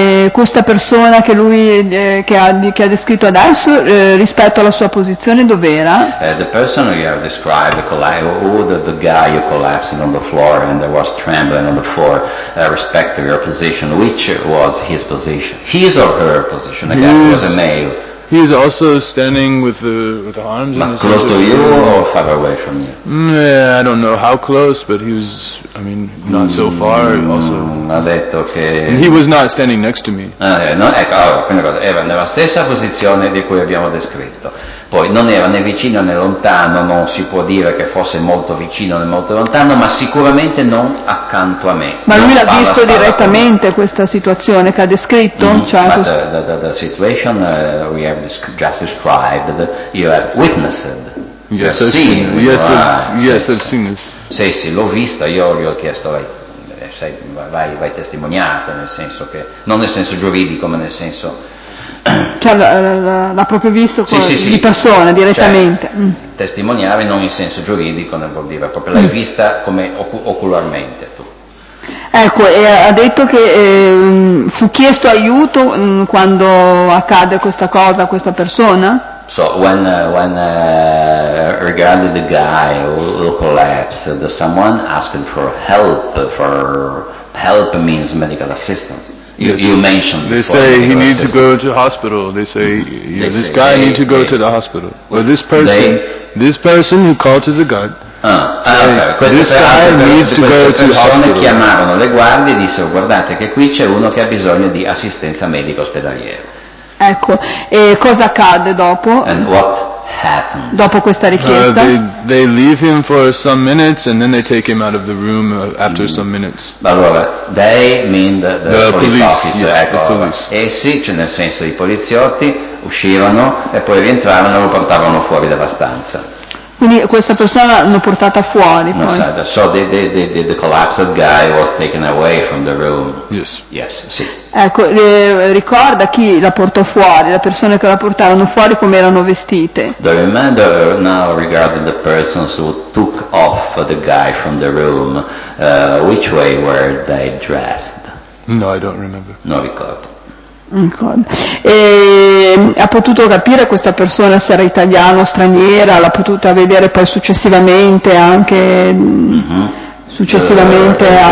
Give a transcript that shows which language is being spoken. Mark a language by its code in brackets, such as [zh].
[it] questa persona che lui che ha descritto adesso rispetto alla sua posizione dov'era? [en] The person you have described, the guy who collapsed on the floor and there was trembling on the floor, respect to your position, which was his position, his or her position? The guy was a male. He is also standing with the arms in the center. Close to you or far away from you? I don't know how close, but he was, I mean, not so far. Also, [it] ha detto che. [en] And he was not standing next to me. [it] Era nella stessa posizione di cui abbiamo descritto. Poi non era né vicino né lontano, non si può dire che fosse molto vicino né molto lontano, ma sicuramente non accanto a me. Ma non lui l'ha visto direttamente questa situazione che ha descritto? [en] The situation we have just described, you have witnessed. Yes, I've seen this. [it] Sì, l'ho vista, io gli ho chiesto, vai testimoniata, nel senso che, non nel senso giuridico, ma nel senso... Cioè, l'ha proprio visto di persona direttamente. Cioè, testimoniare non in senso giuridico, non vuol dire proprio l'hai vista come ocularmente tu. Ecco, e ha detto che fu chiesto aiuto quando accade questa cosa a questa persona. [en] So when regarding the guy who collapsed, someone asked for help. For help means medical assistance. You mentioned they say he needs to go to hospital. They say to the hospital. Well, this person who called to the guard. [it] Questo [en] needs to go to hospital. [it] Chiamarono le guardie e dissero: guardate che qui c'è uno che ha bisogno di assistenza medica ospedaliera. Ecco, e cosa accade dopo? [en] And what happened? [it] Dopo questa richiesta? [en] They leave him for some minutes and then they take him out of the room after some minutes. [it] Allora, [en] they mean the police officer. [it] Essi, cioè nel senso i poliziotti, uscivano e poi rientravano e lo portavano fuori dalla stanza. Quindi questa persona l'ho portata fuori. [en] No, so the collapsed guy was taken away from the room. Yes. Yes, [it] sì. Ecco, ricorda chi la portò fuori, le persone che la portarono fuori, come erano vestite. [en] The remainder now regarding the persons who took off the guy from the room, which way were they dressed? No, I don't remember. [it] Non ricordo. E ha potuto capire questa persona se era italiana o straniera, l'ha potuta vedere poi successivamente anche successivamente